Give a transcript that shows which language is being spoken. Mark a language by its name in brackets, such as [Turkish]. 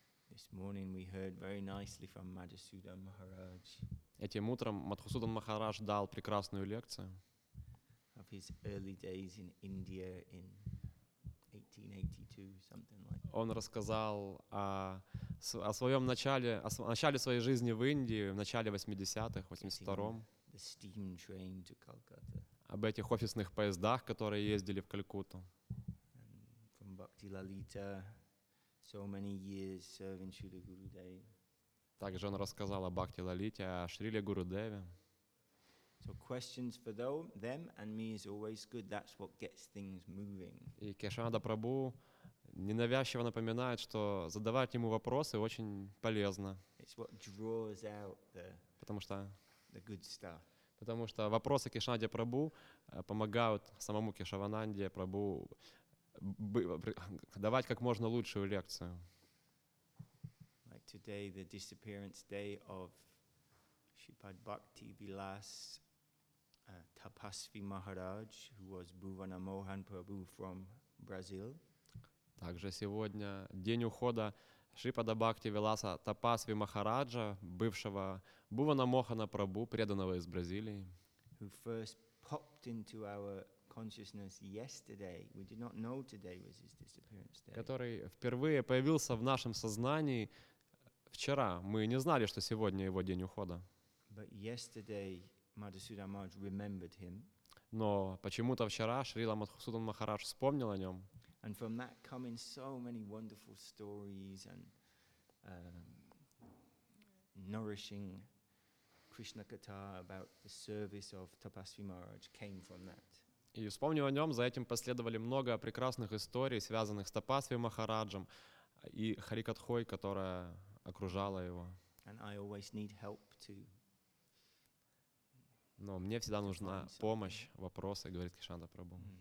[English] This morning we heard very nicely from Madhusudan Maharaj. [Russian] Этим утром Мадхусудан Махарадж дал прекрасную лекцию. [English] Of his early days in India in 1882, something like that. [Russian] Он рассказал о своем начале, о начале своей жизни в Индии, в начале 80-х, 82-м. [English] The steam train to Calcutta. [Russian] Об этих офисных поездах, которые ездили в Калькутту. [English] And from Bhakti Lalita, so many years serving Shrila Gurudeva. [Russian] Также он рассказал о Бхакти Лалите, о Шриле Гурудеве. [English] So questions for them and me is always good. That's what gets things moving. [Russian] И Кешанада Прабху ненавязчиво напоминает, что задавать ему вопросы очень полезно. [English] It's what draws out the good stuff. [Russian] Потому что вопросы Кешанаде Прабху помогают самому Кешавананде Прабху давать как можно лучшую лекцию. [English] Like today, the disappearance day of Shripad Bhakti Vilas. Tapasvi Maharaj, who was Bhuvana Mohan Prabhu from Brazil. [Russian] Также сегодня день ухода Шрипада Бхакти Виласа Тапасви Махараджа, бывшего Бхувана Мохана Прабху, преданного из Бразилии. [English] Who first popped into our consciousness yesterday? We did not know today was his disappearance day. [Russian] Который впервые появился в нашем сознании вчера. Мы не знали, что сегодня его день ухода. [English] But yesterday. Madhusudan Maharaj remembered him. [Russian] Но почему-то вчера Шрила Мадхусудан Махарадж вспомнил о нем. [English] And from that come in so many wonderful stories and nourishing Krishna Katha about the service of Tapasvi Maharaj came from that. [Russian] И вспомнив о нем, за этим последовали много прекрасных историй, связанных с Тапасви Махараджем и Харикатхой, которая окружала его. [English] And I always need help too. [Russian] Но мне всегда нужна помощь, вопросы, говорит Кешанада Прабху.